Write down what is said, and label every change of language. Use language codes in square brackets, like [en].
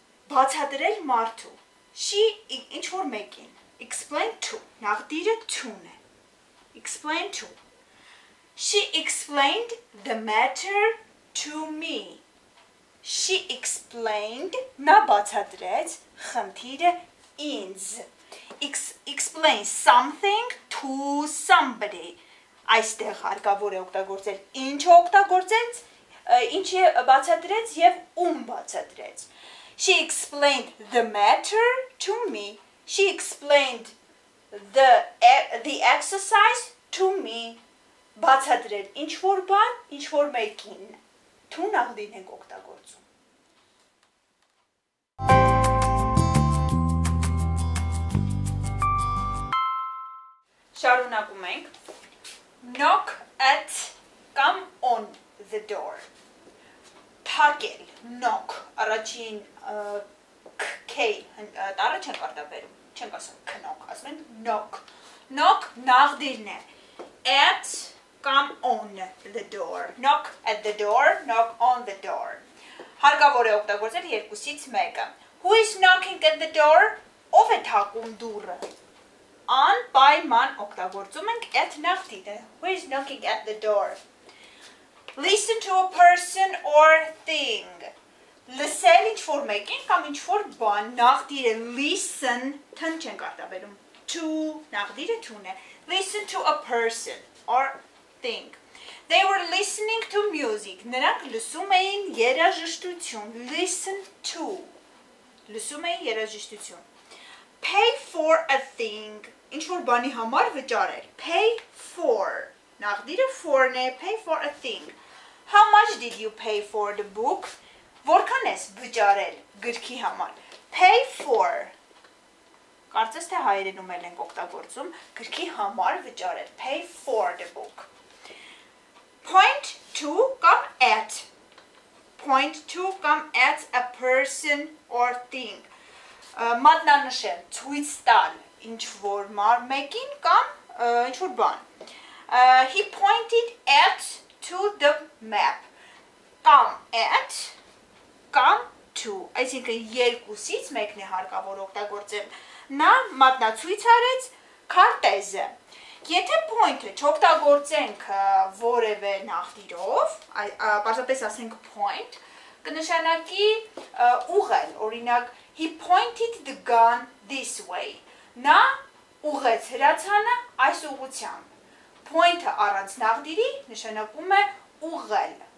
[hy] բացատրել մարդու, she, ինչ-որ մեկին, explain to, նախտիրը to-ն է, explain to, [en] she explained the matter to me, [hy] she explained, նա բացատրեց խնդիրը ինձ, [en] explain something to somebody, [hy] այստեղ հարկավոր է օգտագործել, ինչ օգտագործենց, ինչ է բացատրեց եւ ում բացատրեց։ [en] She explained the matter to me. She explained the exercise to me. [hy] Բացատրել ինչ որ բան, ինչ որ մեկին։ To նախտին ենք օգտագործում։ Շարունակում ենք։ Knock at կամ on the door։ Թաքել, knock, առաջին k տառը չեն կարդալու, չենք ասում knock, ասում են knock, knock նախտիրն է, at կամ on the door, knock at the door, knock on the door, հարկավոր է օգտագործել երկուսից մեկը։ [en] Who is knocking at the door, [hy] ով է թակում դուռը, անպայման օգտագործում ենք at նախտիրը, who is knocking at the door։ [en] Listen to a person or thing. [hy] Լսել ինչ-որ մեկին կամ ինչ-որ բան, նախտիրը listen, թն չեն կարտաբերում, to, նախտիրը to-ն է. [en] Listen to a person or thing. They were listening to music. [hy] Նրանք լսում էին երաժշտություն. Listen to. Լսում էին երաժշտություն. [en] Pay for a thing. [hy] Ինչ-որ բանի համար վճարել. [en] Pay for. [hy] Նախտիրը for-ն է, [en] pay for a thing. How much did you pay for the book? [hy] Որքան ես վճարել գրքի համար? [en] Pay for. [hy] Կարծես թե հայերենում էլ ենք օգտագործում գրքի համար վճարել. [en] Pay for the book. Point to կամ at. Point to կամ at a person or thing. [hy] Մատնանշել, ցույց տալ ինչ-որ մար մեկին կամ ինչ-որ բան. [en] He pointed at to the map. [hy] Կամ at կամ to, այսինքն երկուսից մեկն է հարկավոր օգտագործել, նա մատնացույց արեց քարտեզը։ Եթե point-ը չօգտագործենք որևէ նախտիրով, պարզապես ասենք point, կնշանակի ուղղել, օրինակ [en] he pointed the gun this way, [hy] նա ուղեց հրացանը այս ուղությամբ։ Point-ը առանց նախտիրի նշանակում է ուղղել։